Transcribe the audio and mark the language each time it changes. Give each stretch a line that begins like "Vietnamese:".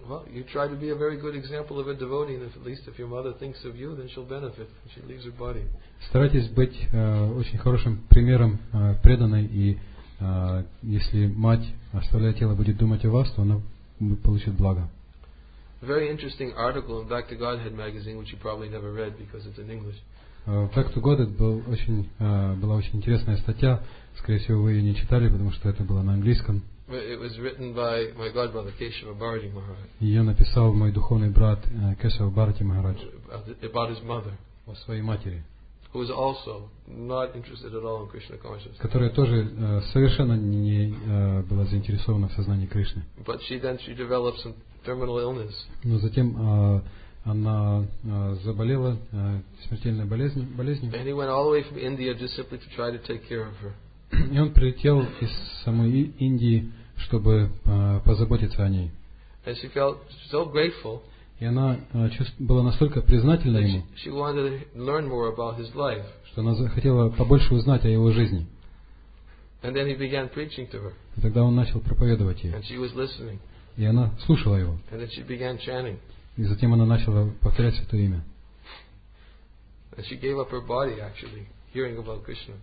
English: Well, you try to be a very good example of a devotee, and if, at least if your mother thinks of you, then she'll benefit. She leaves her body.
Russian: Старайтесь быть очень хорошим примером преданной, и если мать оставляет тело, будет думать о вас, то она получит благо.
English: Very interesting article in Back to Godhead magazine, which you probably never read because it's in English.
Russian: Back to Godhead была очень интересная статья. Скорее всего, вы ее не читали, потому что это было на английском.
English: It was written by my godbrother Keshava Bharati Maharaj.
Russian: Её написал мой духовный брат Кешава Бхарати Махарадж.
English: About his mother.
Russian: О своей матери.
English: Who was also not interested at all in Krishna consciousness.
Russian: Которая тоже совершенно не была заинтересована в сознании Кришны.
English: But she developed some terminal illness.
Russian: Но затем она заболела смертельной болезнью.
English: And he went all the way from India just simply to try to take care of her.
Russian: И он прилетел из самой Индии, чтобы позаботиться о ней.
English: And she felt so grateful,
Russian: и она была настолько признательна ему,
English: she wanted to learn more about his life.
Russian: Что она хотела побольше узнать о его жизни.
English: And then he began preaching to her.
Russian: И тогда он начал проповедовать ей.
English: And she was listening.
Russian: И она слушала его.
English: And then she began chanting.
Russian: И затем она начала повторять святое имя.
English: And she gave up her body, actually. Hearing about Krishna.